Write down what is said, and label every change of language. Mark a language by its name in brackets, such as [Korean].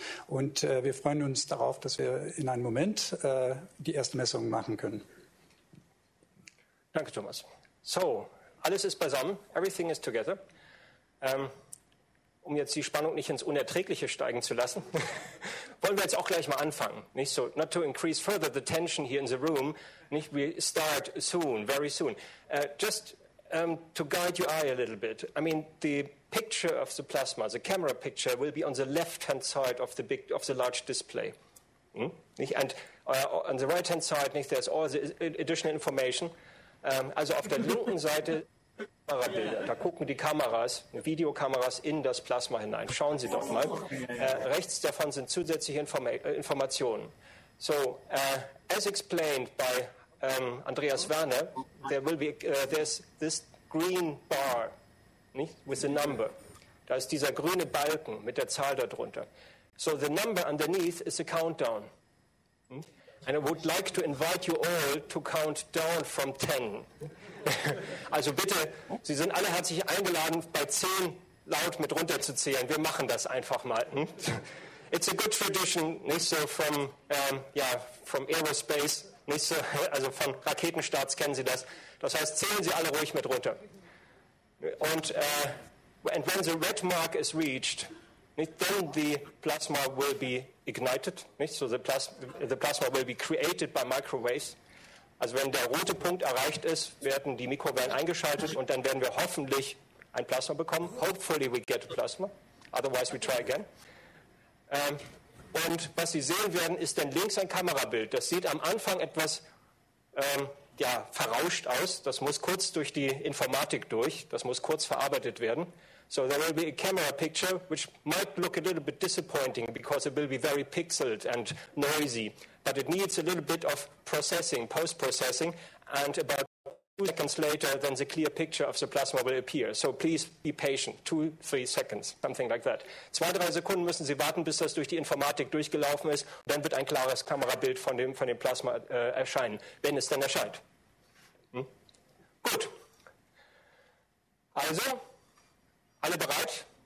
[German] Und wir freuen uns darauf, dass wir in einem Moment die ersten Messungen machen können. Danke, Thomas. So, alles ist beisammen. [English] Everything is together. [German] Um jetzt die Spannung nicht ins Unerträgliche steigen zu lassen, wollen wir jetzt auch gleich mal anfangen. Nicht so, [English] not to increase further the tension here in the room. Nicht, we start soon, very soon. To guide your eye a little bit. I mean, the picture of the plasma, the camera picture, will be on the left-hand side of the big, of the large display. And on the right-hand side, there's all the additional information. [German] Also auf der linken Seite Kamerabilder. Da gucken die Kameras, Videokameras in das Plasma hinein. Schauen Sie doch mal. Rechts davon sind zusätzliche Informationen. [English] So, as explained by Andreas Werner, there's this green bar, with the number. [German] Da ist dieser grüne Balken mit der Zahl darunter. [English] So the number underneath is a countdown. And I would like to invite you all to count down from 10. [German] Also bitte, Sie sind alle herzlich eingeladen, bei 10 laut mit runterzuzählen. Wir machen das einfach mal. [English] It's a good tradition, from aerospace. [German] Also von Raketenstarts kennen Sie das. Das heißt, zählen Sie alle ruhig mit runter. [English] And when the red mark is reached, then the plasma will be ignited. So the plasma will be created by microwaves. [German] Also wenn der rote Punkt erreicht ist, werden die Mikrowellen eingeschaltet und dann werden wir hoffentlich ein Plasma bekommen. [English] Hopefully we get a plasma. Otherwise we try again. [German] Und was Sie sehen werden, ist dann links ein Kamerabild. Das sieht am Anfang etwas verrauscht aus. Das muss kurz durch die Informatik durch. Das muss kurz verarbeitet werden. [English] So there will be a camera picture, which might look a little bit disappointing because it will be very pixeled and noisy. But it needs a little bit of processing, post-processing. And about 2 seconds later, then the clear picture of the plasma will appear. So please be patient. 2-3 seconds, something like that. [German] 2-3 Sekunden müssen Sie warten, bis das durch die Informatik durchgelaufen ist. Dann wird ein klares Kamerabild von dem Plasma erscheinen, wenn es dann erscheint. Gut. Also, alle bereit?